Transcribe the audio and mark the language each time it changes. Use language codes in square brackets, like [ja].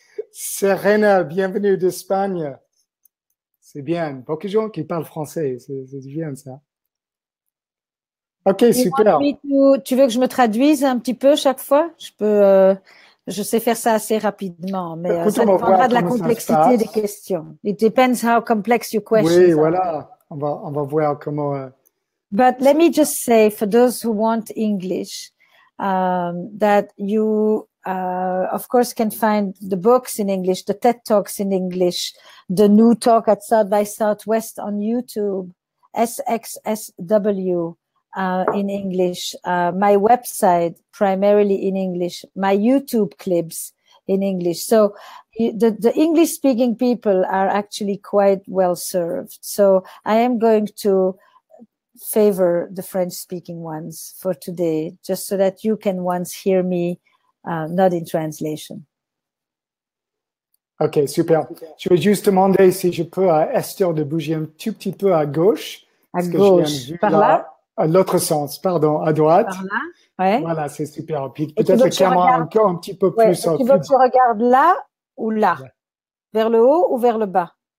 [fr] Serena, bienvenue d'Espagne. C'est bien. Beaucoup de gens qui parlent français, c'est bien ça. Ok, super. Tu veux que je me traduise un petit peu chaque fois? Je sais faire ça assez rapidement, mais ça dépendra de la complexité des questions. [en] It depends how complex your questions [fr] are. Oui, voilà. On va voir comment. [en] But let me just say, for those who want English, that you, of course, can find the books in English, the TED Talks in English, the new talk at South by Southwest on YouTube, SXSW. In English, my website primarily in English, my YouTube clips in English. So the English speaking people are actually quite well served. So I am going to favor the French speaking ones for today, just so that you can once hear me, not in translation. Okay, super. [fr] Je vais juste demander si je peux à Esther de bouger un tout petit peu à gauche. À gauche, par là. À l'autre sens, pardon, à droite. Par là, ouais. Voilà, c'est super. Puis peut-être la caméra regardes... encore un petit peu plus. Ouais, tu veux que tu regardes là ou là? Ouais. Vers le haut ou vers le bas?